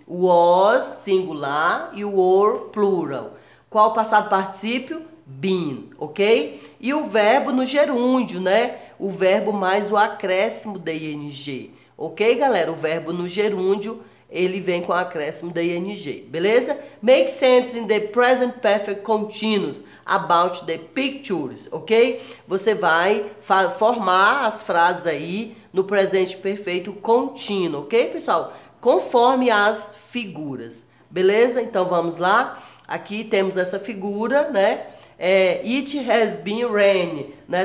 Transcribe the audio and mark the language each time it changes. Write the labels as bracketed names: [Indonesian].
[English] Was, singular, e were, plural. [Portuguese] Qual o passado particípio? Been, ok? E o verbo no gerúndio, né? O verbo mais o acréscimo da ing, ok, galera? O verbo no gerúndio, ele vem com o acréscimo da ing, beleza? [English] Make sense in the present perfect continuous about the pictures, ok? [Portuguese] Você vai formar as frases aí no presente perfeito contínuo, ok, pessoal? Conforme as figuras, beleza? Então vamos lá. Aqui temos essa figura, né? It has been raining, né?